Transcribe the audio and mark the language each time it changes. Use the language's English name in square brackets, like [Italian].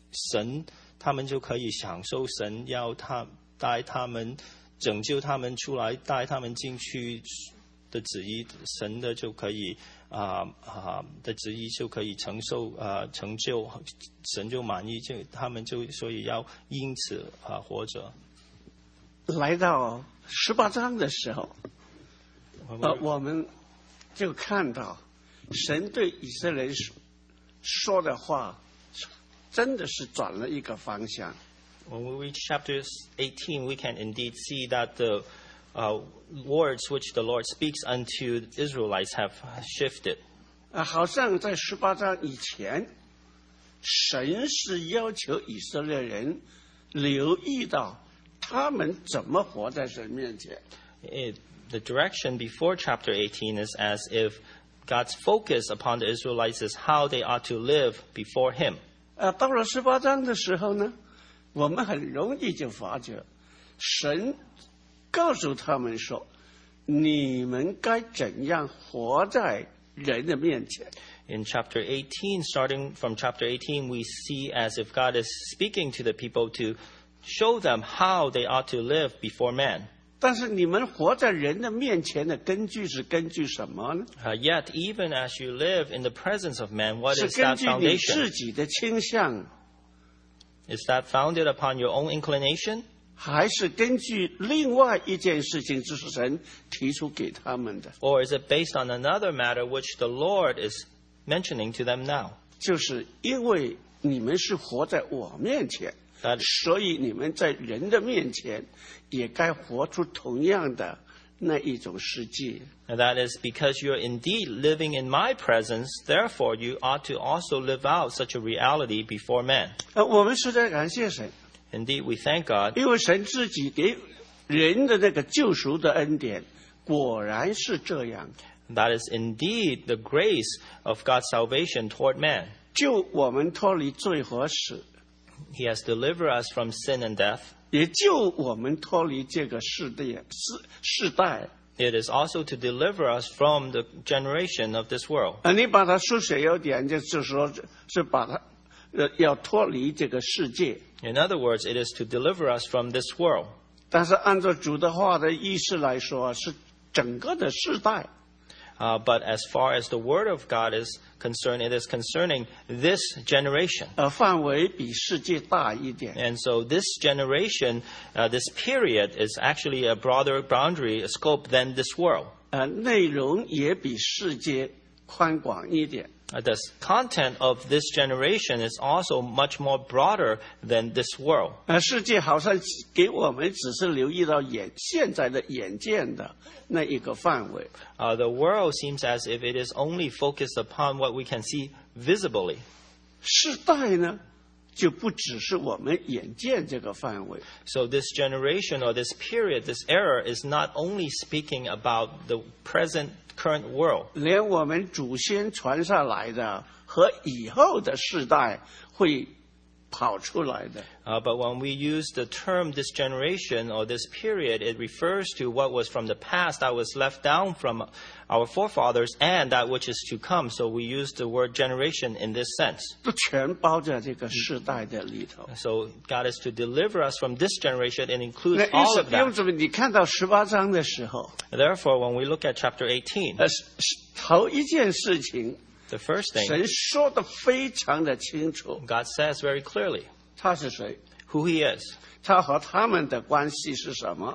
[Chinese] 神，他们就可以享受神要他带他们拯救他们出来，带他们进去的旨意，神的就可以的旨意就可以承受成就，神就满意，就他们就所以要因此活着。来到十八章的时候，我们就看到神对以色列人说的话真的是转了一个方向。 [English] When we reach chapter 18, we can indeed see that the words which the Lord speaks unto the Israelites have shifted. [Chinese] 好像在十八章以前，神是要求以色列人留意到他们怎么活在神面前。 [English] The direction before chapter 18 is as if God's focus upon the Israelites is how they ought to live before Him. [Chinese] 到了十八章的时候呢，我们很容易就发觉神告诉他们说你们该怎样活在人的面前。 [English] In chapter 18, starting from chapter 18, we see as if God is speaking to the people to show them how they ought to live before man. [Chinese] 但是你们活在人的面前的根据是根据什么呢？ [English] Yet even as you live in the presence of man, what is that foundation? [Chinese] 是根据你自己的倾向。 [English] Is that founded upon your own inclination? [Chinese] 还是根据另外一件事情，就是神提出给他们的。 [English] Or is it based on another matter which the Lord is mentioning to them now? [Chinese] 就是因为你们是活在我面前，所以你们在人的面前也该活出同样的那一种实际。 [English] That is because you are indeed living in my presence, therefore you ought to also live out such a reality before men. [Chinese] 我们实在感谢神。 [English] Indeed, we thank God. [Chinese] 因为神自己给人的那个救赎的恩典果然是这样。 [English] That is indeed the grace of God's salvation toward man. [Chinese] 救我们脱离罪和死。 [English] He has delivered us from sin and death. [Chinese] 也救我们脱离这个世代。 [English] It is also to deliver us from the generation of this world. [Chinese] 你把它缩写一点，就是说是把它要脱离这个世界。 [English] In other words, it is to deliver us from this world. [Chinese] 但是按照主的话的意思来说，是整个的世代。 [English] But as far as the word of God is concerned, it is concerning this generation. [Chinese] 范围比世界大一点。 [English] And so this generation, this period is actually a broader boundary, a scope than this world. [Chinese] 内容也比世界宽广一点。 [English] The content of this generation is also much more broader than this world. [Chinese] 世界好像给我们只是留意到现在的眼见的那一个范围。 [English] The world seems as if it is only focused upon what we can see visibly. [Chinese] 世代呢，就不只是我们眼见这个范围。 [English] So this generation or this period, this era is not only speaking about the present current world. [Chinese] 连我们祖先传下来的和以后的世代会跑出来的。 [English] But when we use the term this generation or this period, it refers to what was from the past that was left down from our forefathers and that which is to come. So we use the word generation in this sense. [Chinese] 都全包在这个世代的里头。 [English] So God is to deliver us from this generation and includes all of that. [Chinese] 弟兄姊妹，你看到十八章的时候， [English] therefore, when we look at chapter 18, [Chinese] 头一件事情 [English] The first thing, [Chinese] 神说得非常的清楚。 [English] God says very clearly, [Chinese] 他是谁？ [English] Who he is, [Chinese] 他和他们的关系是什么？